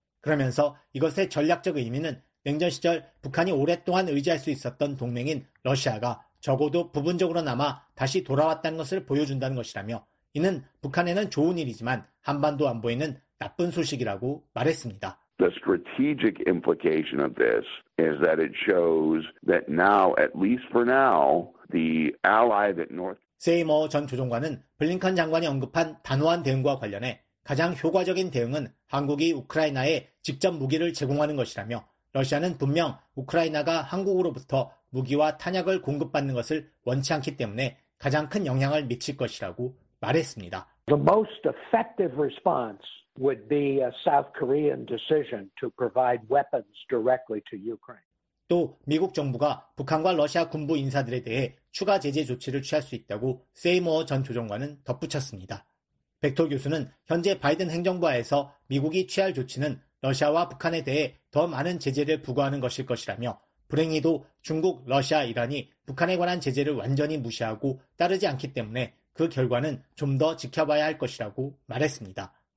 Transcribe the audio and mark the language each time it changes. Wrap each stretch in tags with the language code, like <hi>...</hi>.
<ko>그러면서 이것의 전략적 의미는 냉전 시절 북한이 오랫동안 의지할 수 있었던 동맹인 러시아가 적어도 부분적으로나마 다시 돌아왔다는 것을 보여준다는 것이라며 이는 북한에는 좋은 일이지만 한반도 안보에는 나쁜 소식이라고 말했습니다.</ko> <en>The strategic implication of this is that it shows that now, at least for now, the ally that North</en> <ko>세이머 전 조정관은 블링컨 장관이 언급한 단호한 대응과 관련해 가장 효과적인 대응은 한국이 우크라이나에 직접 무기를 제공하는 것이라며 러시아는 분명 우크라이나가 한국으로부터 무기와 탄약을 공급받는 것을 원치 않기 때문에 가장 큰 영향을 미칠 것이라고 말했습니다.</ko> <en>The most effective response would be a South Korean decision to provide weapons directly to Ukraine.</en> <ko>또 미국 정부가 북한과 러시아 군부 인사들에 대해 추가 제재 조치를 취할 수 있다고 세이머 전 조정관은 덧붙였습니다. 백토 교수는 현재 바이든 행정부하에서 미국이 취할 조치는 러시아와 북한에 대해 더 많은 제재를 부과하는 것일 것이라며 불행히도 중국, 러시아, 이란이 북한에 관한 제재를 완전히 무시하고 따르지 않기 때문에 그 결과는 좀 더 지켜봐야 할 것이라고 말했습니다.</ko>